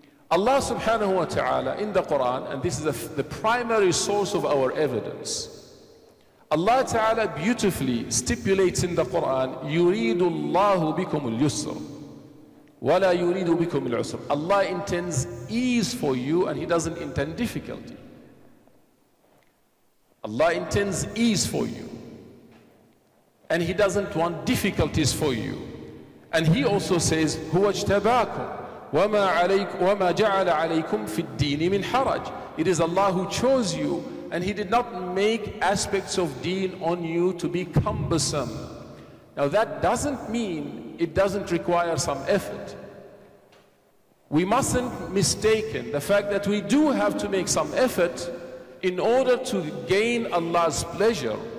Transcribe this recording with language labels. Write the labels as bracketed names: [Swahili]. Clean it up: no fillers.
[English] Allah subhanahu wa ta'ala in the Quran, and this is the primary source of our evidence, Allah ta'ala beautifully stipulates in the Quran, [Arabic] يُرِيدُ اللَّهُ بِكُمُ الْيُسْرُ وَلَا يُرِيدُ بِكُمُ الْعُسْرُ. [English] Allah intends ease for you and He doesn't intend difficulty. Allah intends ease for you. And He doesn't want difficulties for you. And He also says, [Arabic] هُوَ اجْتَبَاكُمْ وَمَا جَعَلَ عَلَيْكُمْ فِي الدِّينِ مِنْ حَرَجٍ. [English] It is Allah who chose you, and He did not make aspects of deen on you to be cumbersome. Now that doesn't mean it doesn't require some effort. We mustn't mistake the fact that we do have to make some effort in order to gain Allah's pleasure.